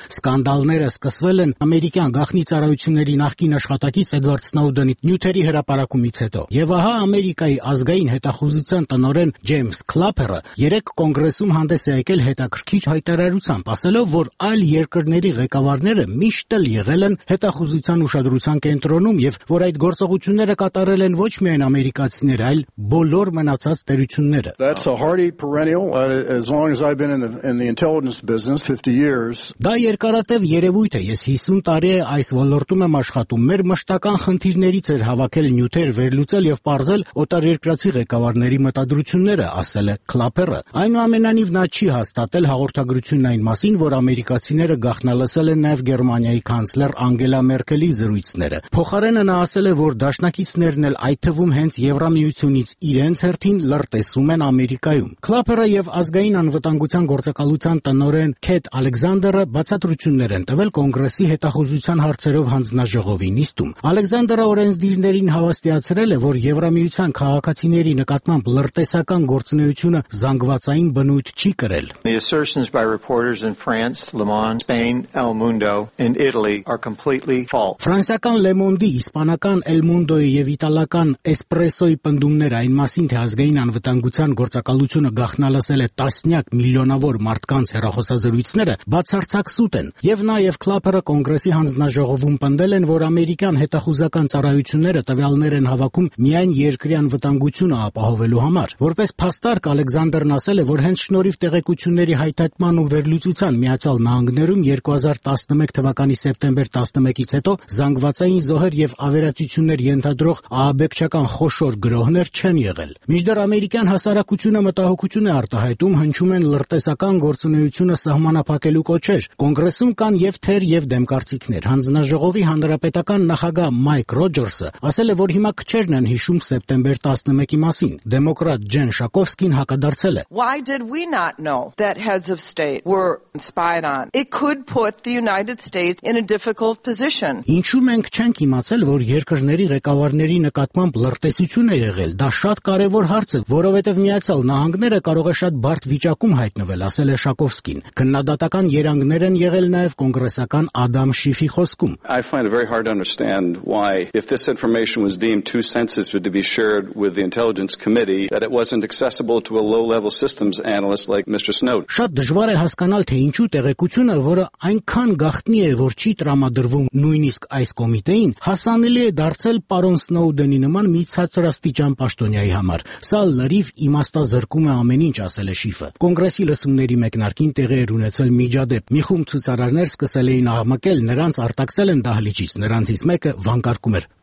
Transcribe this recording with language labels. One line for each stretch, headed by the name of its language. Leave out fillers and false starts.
Armenian: Սկանդալները սկսվել են ամերիկյան գաղտնի ծառայությունների նախկին աշխատակից Էդվարդ Սնոուդենի Նյութերի հրապարակումից հետո։ Եվ ահա Ամերիկայի ազգային հետախուզության տնօրեն Ջեյմս Սկլապերը երեք կոնգրեսում հանդես է եկել հետաքրքիր հայտարարությամբ, ասելով, որ այլ երկրների ղեկավարները միշտ էլ եղել են հետախուզության ուշադրության կենտրոնում եւ որ այդ գործողությունները կատարել են ոչ միայն ամերիկացիներ, այլ բոլոր մնացած տերությունները։
English: That's a hardy perennial as long as I've been in the intelligence business 50 years.
Armenian: Դա երկարատև երևույթ է, ես 50 տարի է այս ոլորտում եմ աշխատում։ Մեր մշտական խնդիրներից էր հավաքել նյութեր, վերլուծել եւ պարզել օտարերկրացի ղեկավարների մտադրությունները, ասել է Կլապերը։ Այնուամենայնիվ նա չի հաստատել հաղորդագրությունն այն մասին, որ ամերիկացիները գաղտնալսել են նաև Գերմանիայի կանցլեր Անգելա Մերկելի զրույցները։ Փոխարենը նա ասել է, որ դաշնակիցներն էլ այդ թվում հենց Եվրամիությունից իրենց հերթին լրտեսում են Ամերիկայում։ Կլապերը եւ ազգային անվտանգության գործակալության տնօրեն Քեթ Ալեքսանդերը բացատրություններ են տվել կոնգրեսի հետախուզության հարցերով հանձնաժողովի նիստում։ Ալեքսանդերը օրենսդիրներին հավաստիացրել է, որ Եվրամիության քաղաքացիների նկատմամբ լրտեսական գործնեությունը զանգվածային բնույթ չի կրել։
English: The assertions by reporters in France, Le Monde, Spain, El Mundo and Italy are completely false.
Armenian: Ֆրանսական Le Monde-ի, իսպանական El Mundo-ի եւ իտալական Espresso-ի պնդումները այն մասին, թե ազգային անվտանգության գործակալությունը գաղտնալսել է տասնյակ միլիոնավոր մարդկանց հեռախոսազրույցները, բացարձակ սուտ են։ Եվ նաեւ Կլապերը կոնգրեսի հանձնաժողովում պնդել են, որ ամերիկյան հետախուզական ծառայությունները տվյալներ են հավաքում միայն երկրի անվտանգությունը ապահովելու համար։ Որպես փաստարկ Ալեքսանդերն ասել է, որ հենց շնորհիվ տեղեկությունների հայտարարման ու վերլուծության Միացյալ Նահանգներում 2011 թվականի սեպտեմբեր 11-ից հետո զանգվածային զոհեր եւ ավերածություններ ենթադրող ԱԱԲԿ-չական խոշոր գրոհներ չեն եղել։ Միջդեռ ամերիկյան հասարակությունը մտահոգություն է արտահայտում, հնչում են լրտեսական գործունեությունը սահմանափակելու կոչեր։ Կոնգրեսում կան եւ թեր եւ դեմ կարծիքներ։ Հանձնաժողովի հանրապետական նախագահ Մայք Ռոջերսը ասել է, որ հիմա քչերն են հիշում սեպտեմբեր 11-ի մասին։ Դեմոկրատ Ջեն Շակովսկ ընթացքին հակադարձել է.
English: Why did we not know that heads of state were spied on? It could put the United States in a difficult position.
Armenian: Ինչու մենք չենք իմացել, որ երկրների ղեկավարների նկատմամբ լրտեսություն է եղել, դա շատ կարևոր հարց է, որովհետև Միացյալ Նահանգները կարող է շատ բարդ վիճակում հայտնվել, ասել է Շակովսկին։ Քննադատական երանգներ են եղել նաև կոնգրեսական Ադամ Շիֆի խոսքում։
English: I find it very hard to understand why, if this information was deemed too sensitive to be shared with the intelligence committee, that it wasn't accessible to a low-level systems analyst like Mr. Snowden.
Armenian: Շատ դժվար է հասկանալ, թե ինչու տեղեկությունը, որը այնքան գաղտնի է, որ չի տրամադրվում նույնիսկ այս կոմիտեին, հասանելի է դարձել պարոն Սնոուդենի նման մի ցածրաստիճան պաշտոնյայի համար։ Սա լրիվ իմաստազրկում է ամեն ինչ, ասել է Շիֆը։ Կոնգրեսի լսումների մեկնարկին տեղի էր ունեցել միջադեպ։ Մի խումբ ցուցարարներ սկսել էին ահմակել, նրանց արտաքսել են դահլիճից, նրանցից մեկը վանկարկում էր.